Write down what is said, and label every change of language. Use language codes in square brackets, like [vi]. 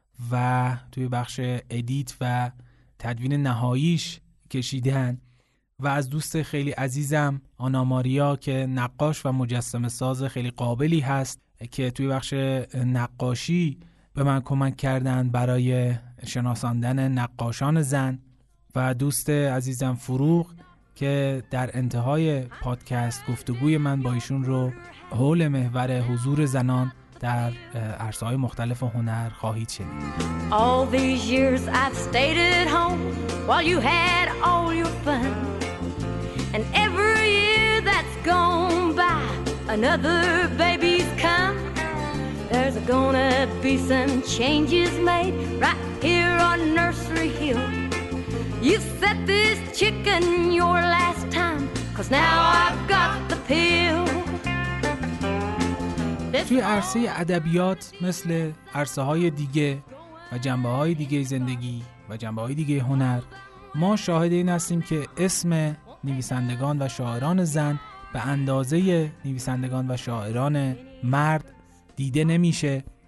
[fa] و توی بخش ادیت و تدوین نهاییش کشیدن، و از دوست خیلی عزیزم آنا ماریا که نقاش و مجسمه ساز خیلی قابلی هست که توی بخش نقاشی به من کمک کردن برای شناساندن نقاشان زن، و دوست عزیزم فروغ که در انتهای پادکست گفتگوی من با ایشون رو حول محور حضور زنان در عرصه‌های مختلف هنر خواهید شنید. [en] All these years I've stayed at home while you had all your fun, and every year that's gone by another baby's come. There's gonna be some changes made right here on Nursery Hill. You set this chicken your last time, 'cause now I've got the pill. [fa] توی عرصه ادبیات مثل عرصه های دیگه و جنبه های دیگه زندگی و جنبه های دیگه هنر، ما شاهد این هستیم که اسم نویسندگان و شاعران زن به اندازه نویسندگان و شاعران مرد دیده نمیشه.